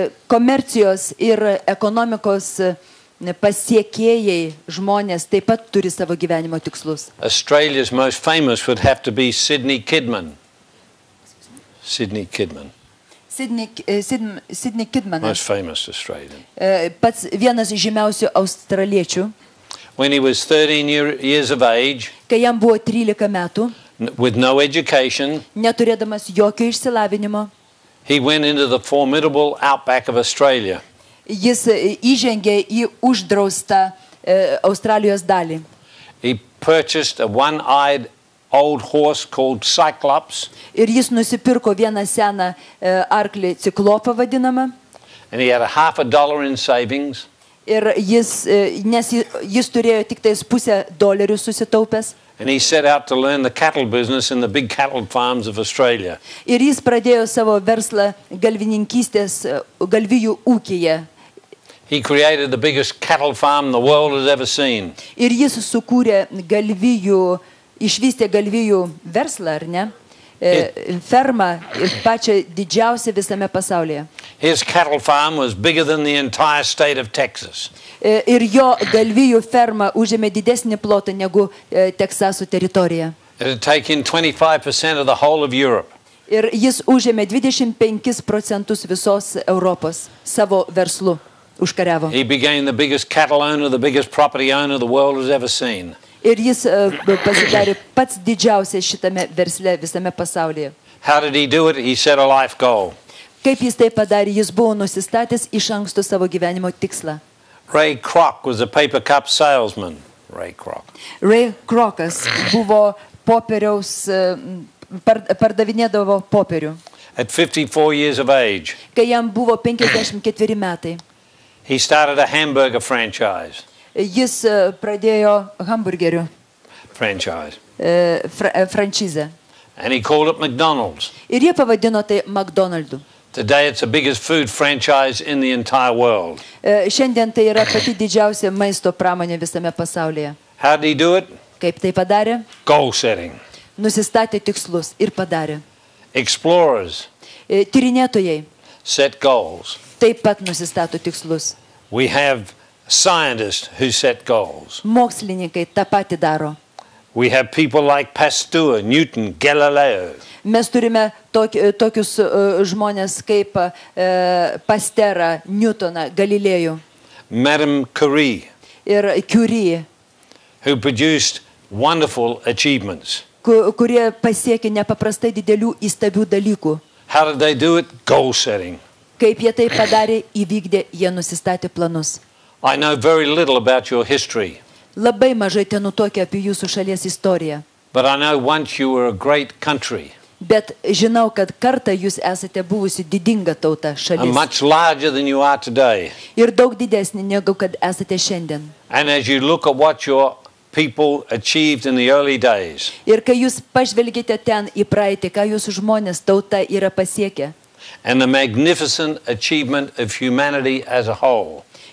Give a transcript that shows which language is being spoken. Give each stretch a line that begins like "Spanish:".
Lithuanian: Komercijos ir ekonomikos pasiekėjai žmonės taip pat turi savo gyvenimo tikslus.
English: Australia's most famous would have to be Sydney Kidman. Sydney Kidman. Sydney Kidman. Most famous Australian.
Lithuanian: Pats vienas žymiausių australiečių.
English: When he was 13 years of age.
Lithuanian: Kai jam buvo 13 metų.
English: With no education.
Lithuanian: Neturėdamas jokio išsilavinimo.
English: He went into the formidable outback of Australia.
Lithuanian: Jis įžengė į uždraustą Australijos dalį.
English: He purchased a one-eyed old horse called Cyclops.
Lithuanian: Ir jis nusipirko vieną seną arklį ciklopą vadinamą.
English: And he had a half a dollar in savings.
Lithuanian: Ir jis turėjo tiktais pusę dolerių susitaupęs.
English: And he set out to learn the cattle business in the big cattle farms of Australia.
Lithuanian: Ir jis pradėjo savo verslą galvininkystės galvijų ūkyje.
English: He created the biggest cattle farm the world has ever seen.
Lithuanian: Ir jis sukūrė išvystė galvijų verslą, ar ne? Fermą pačią didžiausią visame pasaulyje.
English: His cattle farm was bigger than the entire state of Texas.
Lithuanian: Ir jo galvijų ferma užėmė didesnį plotą negu Teksaso teritorija.
English: It had taken 25% of the whole of Europe.
Lithuanian: Ir jis užėmė 25% visos Europos savo verslu užkariavo.
English: He became the biggest cattle owner, the biggest property owner the world has ever seen.
Lithuanian: Ir jis pasidarė pats didžiausias šitame versle visame pasaulyje.
English: How did he do it? He set a life goal.
Lithuanian: Kaip jis tai padarė? Jis buvo nusistatęs iš anksto savo gyvenimo tikslą.
English: Ray Kroc was a paper cup salesman.
Lithuanian: Ray Krocas buvo popieriaus pardavinėdavo popierių.
English: At 54 years of age.
Lithuanian: Kai jam buvo 54 metai.
English: He started a hamburger franchise.
Lithuanian: Jis pradėjo hamburgerių
English: franchise.
Lithuanian: Franšizę.
English: And he called it McDonald's.
Lithuanian: Ir jie pavadino tai McDonald's.
English: Today it's the biggest food franchise in the entire world.
Lithuanian: Šiandien tai yra pati didžiausia maisto pramonė visame pasaulyje.
English: How did he do it?
Lithuanian: Kaip tai padarė?
English: Goal setting.
Lithuanian: Nusistatė tikslus ir padarė.
English: Explorers.
Lithuanian: Tyrinėtojai.
English: Set goals.
Lithuanian: Taip pat nusistato tikslus.
English: We have scientists who set goals.
Lithuanian: Mokslininkai tą patį daro.
English: We have people like Pasteur, Newton, Galileo.
Lithuanian: Mes turime tokius žmones kaip Pasteurą, Newtoną, Galilėjų.
English: Madame Curie.
Lithuanian: Ir Curie.
English: Who produced wonderful achievements.
Lithuanian: Kurie pasiekė nepaprastai didelių įstabių dalykų.
English: How did they do it? Goal setting.
Lithuanian: Kaip jie tai padarė, įvykdė, jie nusistatė planus.
English: I know very little about your history.
Lithuanian: Labai mažai ten nutokia apie jūsų šalies istoriją.
English: But I know once you were a great country.
Lithuanian: Bet žinau, kad kartą jūs esate buvusi didinga tauta šalis.
English: And much larger than you are today.
Lithuanian: Ir daug didesnė negu kad esate šiandien.
English: And as you look at what your people achieved in the early days.
Lithuanian: Ir kai jūs pažvelgite ten į praeitį, ką jūsų žmonės tauta yra pasiekę.
English: And the magnificent achievement of humanity as a whole.